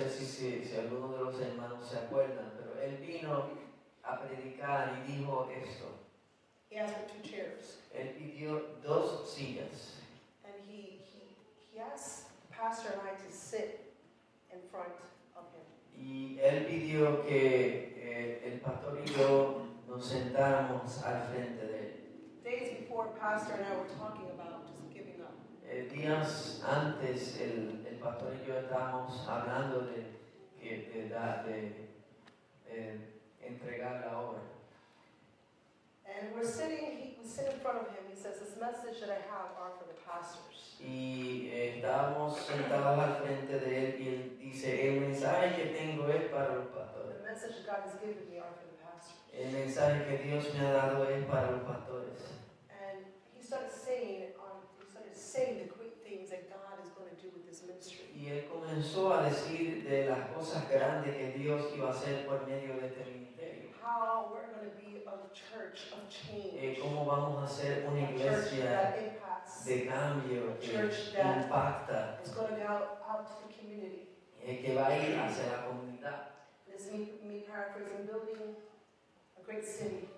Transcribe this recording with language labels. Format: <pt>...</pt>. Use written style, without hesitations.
<es>No sé si alguno de los hermanos se acuerdan, pero él vino a predicar y dijo esto.</es> <en>He asked for two chairs.</en> <es>Él pidió dos sillas.</es> <en>And he asked Pastor and I to sit in front of him.</en> <es>Y él pidió que el pastor y yo nos sentáramos al frente de él.</es> <en>Days before, Pastor and I were talking about just giving up.</en> <es>Días antes, el pastor y yo estábamos hablando de entregar la obra.</es> <en>And we're sitting, we sit in front of him. He says, this message that I have are for the pastors.</en> <es>Y estábamos sentados al frente de él y él dice, el mensaje que tengo es para los pastores.</es> <en>The message that God has given me are for the pastors.</en> <es>El mensaje que Dios me ha dado es para los pastores.</es> <en>And he started saying the great things that God is going to do with this ministry.</en> <es>Y él comenzó a decir de las cosas grandes que Dios iba a hacer por medio de este ministerio.</es> <en>How we're going to be a church of change.</en> <es>Cómo vamos a ser una iglesia de cambio,</es> <en>a church</en> <es>que impacta.</es> <en>It's going to go out to the community.</en> <es>Que va a ir hacia la comunidad.</es> <en>This is me paraphrasing, building a great city.</en>